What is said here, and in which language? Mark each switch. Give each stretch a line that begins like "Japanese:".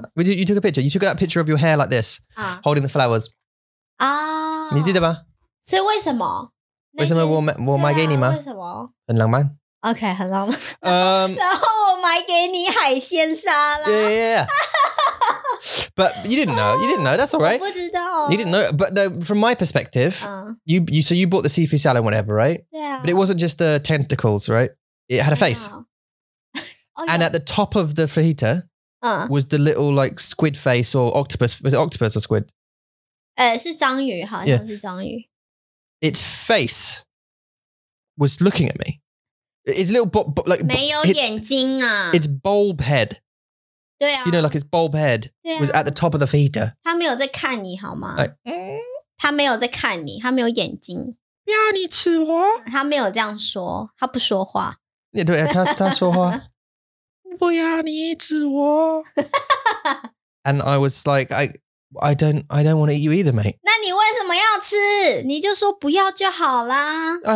English: You took a picture. You took that picture of your hair like this, holing the flowers. Ah.
Chinese: 你记得吗? 所以为什么?为什么我买给你吗? 很浪漫. Okay, 很浪漫.然后我买给你海鲜沙拉.
English: Yeah, yeah, yeah. But you didn't know. You didn't know. That's all right.
Chinese: 我不知道.
English: You didn't know. But no, from my perspective, you bought the seafood salad, whatever, right? Yeah. But it wasn't just the tentacles, right? It had a face. And at the top of the fajita was the little like squid face or octopus. Was it octopus or squid?
Chinese: 是章鱼，好像是章鱼.
English: Yeah. Its face was looking at me. Its little like
Chinese: 没有眼睛啊.
English: Its bulb head.
Chinese: 对啊,
English: you know, like his bulb head was at the top of the fajita.
Chinese: 他没有在看你好吗? 他没有在看你，他没有眼睛。不要你吃我。他没有这样说，他不说话。对，他说话。不要你吃我。And
English: I was like, I don't want to eat you either, mate.
Chinese: 那你为什么要吃？你就说不要就好啦。I